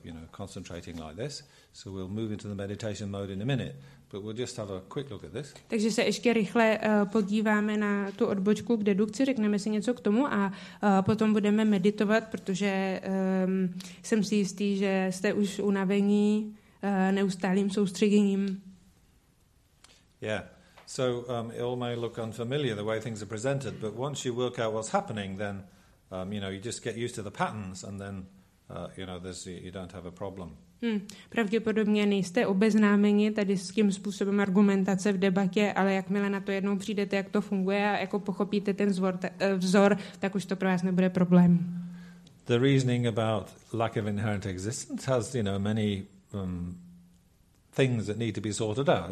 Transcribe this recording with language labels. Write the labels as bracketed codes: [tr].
[en] Concentrating like this, so we'll move into the meditation mode in a minute, but we'll just have a quick look at this. [cs] Takže se ještě rychle podíváme na tu odbočku k dedukci, řekneme si něco k tomu a potom budeme meditovat, protože jsem si jistý, že jste už unavení neustálým soustředěním. [en] Yeah, so it all may look unfamiliar the way things are presented, but once you work out what's happening, then you just get used to the patterns and then you don't have a problem. [cs] Pravděpodobně nejste obeznámeni tady s tím způsobem argumentace v debatě, ale jakmile na to jednou přijdete, jak to funguje a jako pochopíte ten vzor, tak už to pro vás nebude problém. [en] The reasoning about lack of inherent existence has, many things that need to be sorted out.